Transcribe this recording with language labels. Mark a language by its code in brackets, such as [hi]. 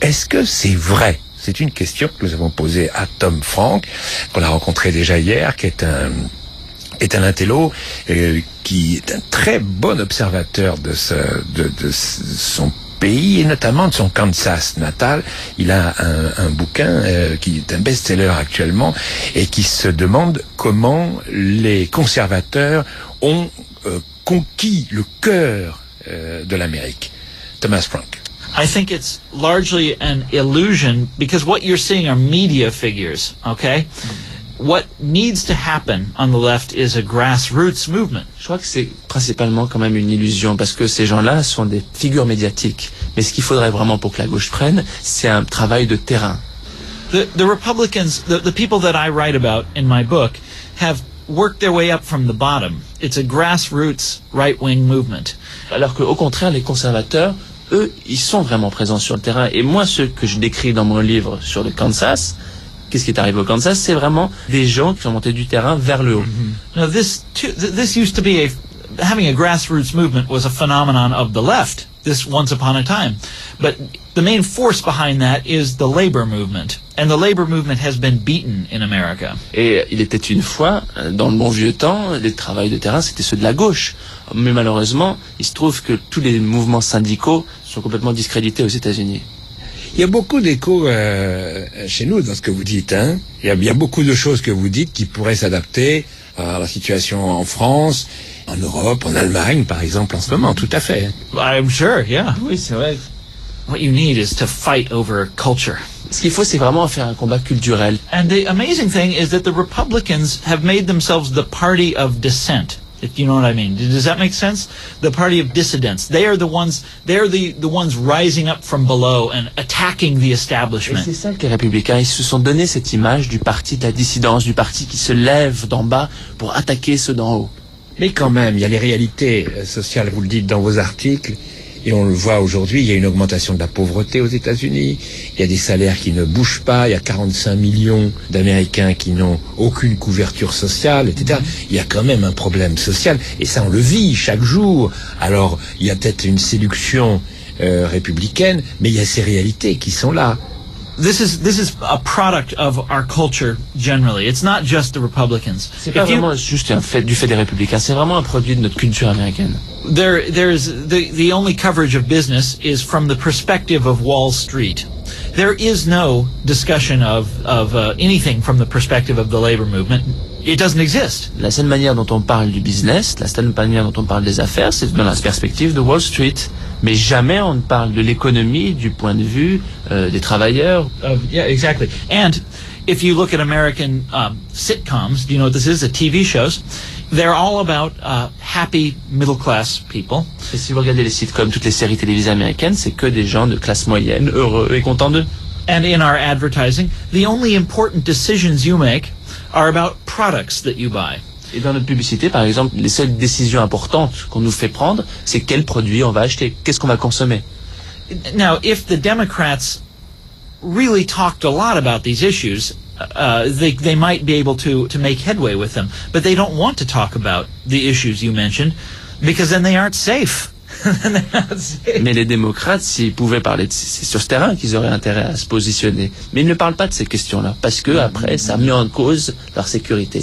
[fr] Est-ce que c'est vrai? C'est une question que nous avons posée à Tom Frank, qu'on a rencontré déjà hier, qui est un intello, qui est un très bon observateur de son pays, et notamment de son Kansas natal. Il a un bouquin qui est un best-seller actuellement, et qui se demande comment les conservateurs ont conquis le cœur de l'Amérique. Thomas Frank. [en] I think it's largely an illusion, because what you're seeing are media figures, okay? What needs to happen on the left is a grassroots movement. [fr] Je crois que c'est principalement quand même une illusion, parce que ces gens-là sont des figures médiatiques. Mais ce qu'il faudrait vraiment pour que la gauche prenne, c'est un travail de terrain. [en] The Republicans, the people that I write about in my book, have worked their way up from the bottom. It's a grassroots right-wing movement. [fr] Alors qu'au contraire, les conservateurs, eux, ils sont vraiment présents sur le terrain. Et moi, ce que je décris dans mon livre sur le Kansas, qu'est-ce qui est arrivé au Kansas? C'est vraiment des gens qui sont montés du terrain vers le haut. Mm-hmm. [en] Now this used to be having a grassroots movement was a phenomenon of the left, this once upon a time. But The main force behind that is the labor movement, and the labor movement has been beaten in America. [fr] Et il était une fois, dans le bon vieux temps, les travailleurs de terrain, c'était ceux de la gauche. Mais malheureusement, il se trouve que tous les mouvements syndicaux sont complètement discrédités aux États-Unis. Il y a beaucoup d'écho chez nous dans ce que vous dites, hein. Il y a beaucoup de choses que vous dites qui pourraient s'adapter à la situation en France, en Europe, en Allemagne, par exemple, en ce moment, tout à fait. [en] I'm sure, yeah. [fr] Oui, c'est vrai. [en] What you need is to fight over culture. [fr] Ce qu'il faut, c'est vraiment faire un combat culturel. [en] And the amazing thing is that the Republicans have made themselves the party of dissent. If you know what I mean. Does that make sense? The party of dissidents. They are the ones, they're the ones rising up from below and attacking the establishment. [fr] Et c'est ça que les républicains, ils se sont donné cette image du parti de la dissidence, du parti qui se lève d'en bas pour attaquer ceux d'en haut. Mais quand même, il y a les réalités sociales, vous le dites dans vos articles, et on le voit aujourd'hui, il y a une augmentation de la pauvreté aux États-Unis, il y a des salaires qui ne bougent pas, il y a 45 millions d'Américains qui n'ont aucune couverture sociale, etc. Mm-hmm. Il y a quand même un problème social, et ça on le vit chaque jour. Alors, il y a peut-être une séduction républicaine, mais il y a ces réalités qui sont là. [en] This is a product of our culture generally. It's not just the Republicans. [fr] C'est pas vraiment juste du fait des républicains. C'est vraiment un produit de notre culture américaine. [en] There is the only coverage of business is from the perspective of Wall Street. There is no discussion of anything from the perspective of the labor movement. It doesn't exist. [fr] La seule manière dont on parle du business, la seule manière dont on parle des affaires, c'est dans la perspective de Wall Street. Mais jamais on ne parle de l'économie du point de vue des travailleurs. [en] Exactly. And if you look at American sitcoms, do you know what this is? The TV shows, they're all about happy middle class people. [fr] Et si vous regardez les sitcoms, toutes les séries télévisées américaines, c'est que des gens de classe moyenne, heureux et contents d'eux. [en] And in our advertising, the only important decisions you make are about products that you buy. [fr] Et dans notre publicité, par exemple, les seules décisions importantes qu'on nous fait prendre, c'est quel produit on va acheter, qu'est-ce qu'on va consommer. [en] Now, if the Democrats really talked a lot about these issues, they might be able to make headway with them. But they don't want to talk about the issues you mentioned, because then they aren't safe. [fr] Mais les démocrates, s'ils pouvaient parler, c'est sur ce terrain qu'ils auraient intérêt à se positionner. Mais ils ne parlent pas de ces questions-là, parce que après, ça met en cause leur sécurité.